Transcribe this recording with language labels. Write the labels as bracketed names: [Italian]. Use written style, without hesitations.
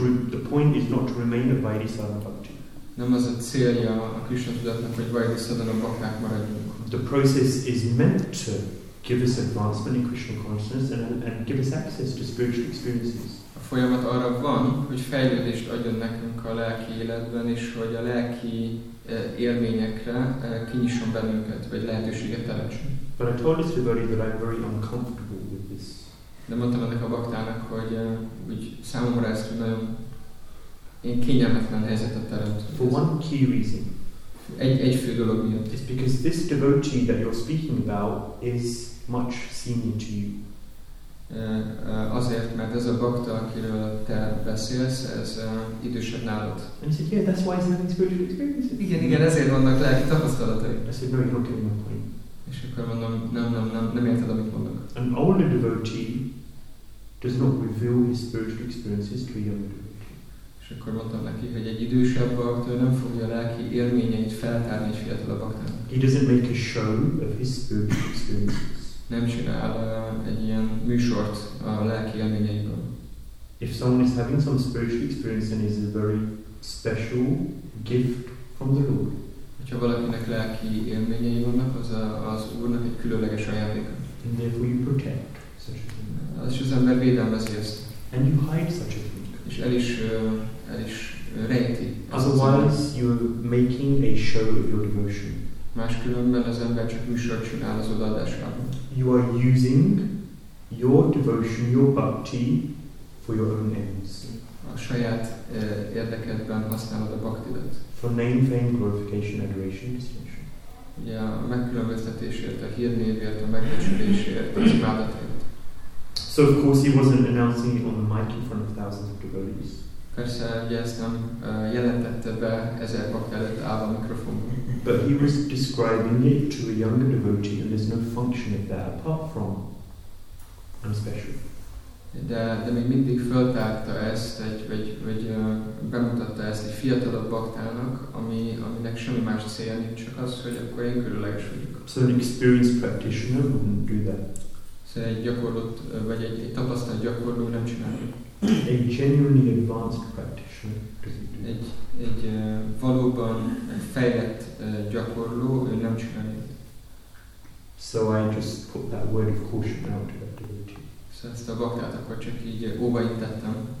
[English] The point is not to remain a vaidhi sadhana bhakti. [Hungarian] Nem az a célja a Krishna tudatnak, hogy vaidhi sadhana bhakták maradjunk. [English] The process is meant to give us advancement in Krishna consciousness and give us access to spiritual experiences. [Hungarian] A folyamat arra van, hogy fejlődést adjon nekünk a lelki életben, és hogy a lelki élményekre kinyisson bennünket, vagy lehetőséget teremtsen. [English] But I told this devotee that I'm very uncomfortable with this. [Hungarian] De mondtam ennek a baktának, hogy úgy számomra ezt nagyon én kényelmetlen helyzetet teremt. [English] For one key reason. [Hungarian] Egy fő dolog miatt. [English] It's because this devotee that you're speaking about is much senior to you. [Hungarian] Azért, mert ez a bakta, akiről te beszélsz, ez idősebb nálad. [English] And he said, yeah, that's why he's having spiritual experiences. [Hungarian] Igen, ezért vannak lelki tapasztalatai. [English] I said, no, you're not getting my point. [Hungarian] És akkor mondom, nem érted, amit mondok. [English] An older devotee does not reveal his spiritual experiences to a younger devotee. [Hungarian] És akkor mondtam neki, hogy egy idősebb bakta nem fogja a lelki élményeit feltárni egy fiatalabb baktának. [English] He doesn't make a show of his spiritual experiences. [Hungarian] Nem csinál egy ilyen műsort a lelki élményeiből. [English] If someone is having some spiritual experience and is a very special gift from the Lord. [Hungarian] Hogyha valakinek lelki élményei vannak, az Úrnak egy különleges ajándéka. [English] And therefore you protect such a thing. [Hungarian] Az is az ember védelmezi ezt. [English] And you hide such a thing. [Hungarian] És el is rejti. [English] Otherwise you're making a show of your devotion. [Hungarian] Máskülönben az ember csak műsort csinál az odaadásában. [English] You are using your devotion, your bhakti for your own ends. [Hungarian] A saját érdekedben használod a bhaktidat. [English] For name, fame, glorification, adoration, distinction. [Hungarian] Ja, a megkülönböztetésért, a hírnévért, a megbecsülésért, az imádatért. [English] So of course he wasn't announcing it on the mic in front of thousands of devotees. [Hungarian] Persze, ugye ezt nem jelentette be ezer bakta előtt állva a mikrofonban. [English] But he was describing it to a younger devotee, and there's no function of that apart from I'm special. [Hungarian] De még mindig föltárta ezt, vagy bemutatta ezt egy fiatalabb baktának, aminek semmi más célja nincs, csak az, hogy akkor én különleges vagyok. [English] So an experienced practitioner wouldn't do that. [Hungarian] Szóval egy gyakorlott, vagy egy tapasztalt gyakorló nem csinálja. [English] A genuinely advanced practitioner. [Hungarian] Egy valóban fejlett gyakorló, ő nem csinálja. [English] So I just put that word of caution out to that devotee. [Hungarian] Szóval ezt a baktát akkor csak így óvaintettem.